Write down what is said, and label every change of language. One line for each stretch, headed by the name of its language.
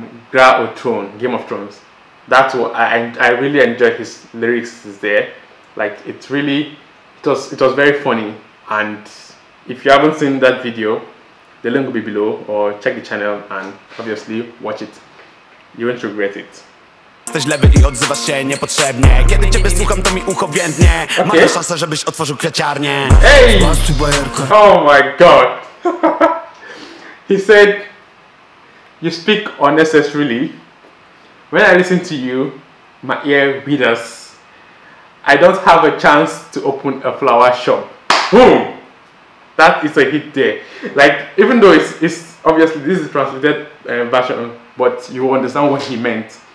English: Gra or Throne, Game of Thrones. That's what I really enjoyed his lyrics there. Like, it's really, it was very funny. And if you haven't seen that video, the link will be below, or check the channel and obviously watch it. You won't regret it.
Polish: Jesteś lewy i odzywasz się niepotrzebnie. Kiedy ciebie słucham, to mi ucho więdnie. Mamy szansę, żebyś otworzył kwiaciarnię.
English: Ej! Oh my god! He said, you speak unnecessarily. When I listen to you, my ear withers. I don't have a chance to open a flower shop. Boom! That is a hit there. Like, even though it's obviously this is translated version, but you understand what he meant.